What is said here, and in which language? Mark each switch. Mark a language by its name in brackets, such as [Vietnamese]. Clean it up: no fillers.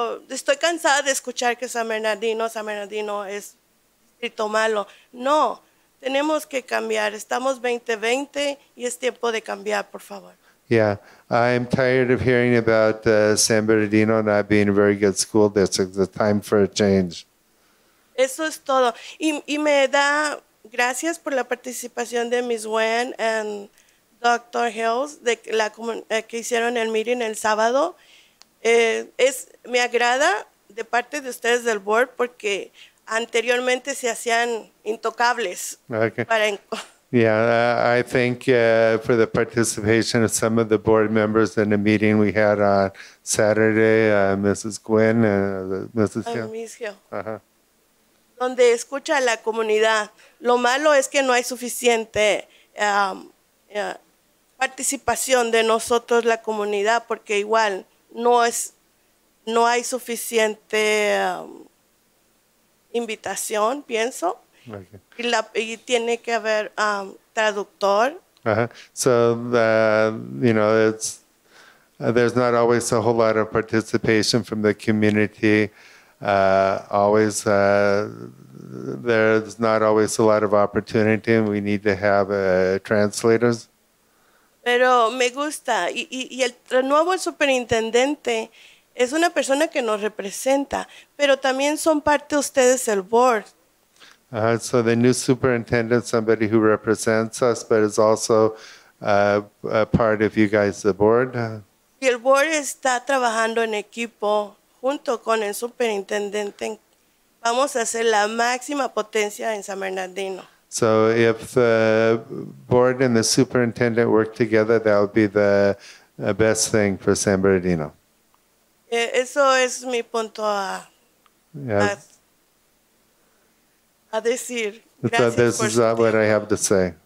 [Spanish] Estoy cansada de escuchar que San Bernardino es distrito malo. No, tenemos que cambiar. Estamos 2020 y es tiempo de cambiar, por favor. [English] Yeah, I'm tired of hearing about San Bernardino not being a very good school district. It's time for a change. [Spanish] Eso es todo. Y me da gracias por la participación de Ms. Wen and Dr. Hills de la que hicieron el meeting el sábado. Me agrada de parte de ustedes del board porque anteriormente se hacían intocables. [English] Okay. I think for the participation of some of the board members in the meeting we had on Saturday, Mrs. Gwynn and Mrs. Hill. [Spanish] Donde escucha a la comunidad. Lo malo es que no hay suficiente participación de nosotros, la comunidad, porque igual no hay suficiente invitación, pienso. [English] Okay. [Spanish] Y tiene que haber traductor. Uh-huh. [English] So, it's there's not always a whole lot of participation from the community. There's not always a lot of opportunity and we need to have translators. [Spanish] Pero me gusta, y el nuevo superintendente es una persona que nos representa, pero también son parte ustedes del board. [English] So the new superintendent, somebody who represents us, but is also a part of you guys, the board. [Spanish] Y el board está trabajando en equipo junto con el superintendente. Vamos a hacer la máxima potencia en San Bernardino. [English] So if the board and the superintendent work together, that would be the best thing for San Bernardino. [Spanish] Eso es mi punto a decir. [English] So this is what I have to say.